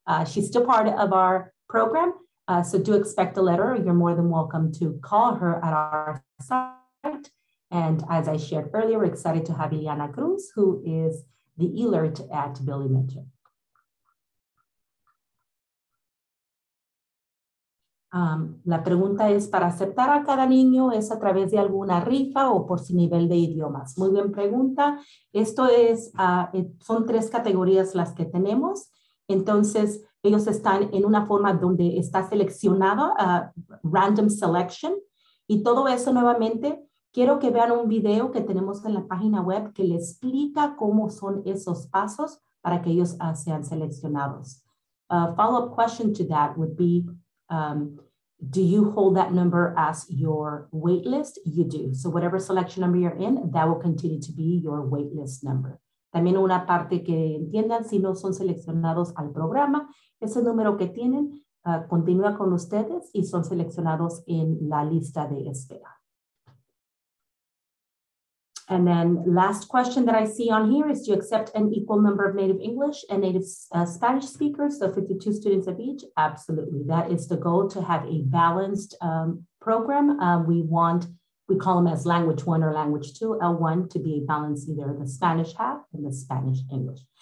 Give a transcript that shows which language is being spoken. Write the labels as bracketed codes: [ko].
[en] She's still part of our program. So do expect a letter. You're more than welcome to call her at our site. And as I shared earlier, we're excited to have Ileana Cruz, who is the eLert at Billy Mitchell. [es] La pregunta es, ¿para aceptar a cada niño es a través de alguna rifa o por su nivel de idiomas? Muy bien pregunta. Esto es, son tres categorías las que tenemos. Entonces, ellos están en una forma donde está seleccionado, [en] random selection. [es] Y todo eso nuevamente, quiero que vean un video que tenemos en la página web que le explica cómo son esos pasos para que ellos sean seleccionados. [en] A follow-up question to that would be, do you hold that number as your wait list? You do. So whatever selection number you're in, that will continue to be your wait list number. [es] También una parte que entiendan, si no son seleccionados al programa, ese número que tienen continúa con ustedes y son seleccionados en la lista de espera. [en] And then last question that I see on here is, do you accept an equal number of native English and native Spanish speakers? So 52 students of each? Absolutely. That is the goal, to have a balanced program. We call them as language one or language two, L1, to be a balance, either the Spanish half and the Spanish English.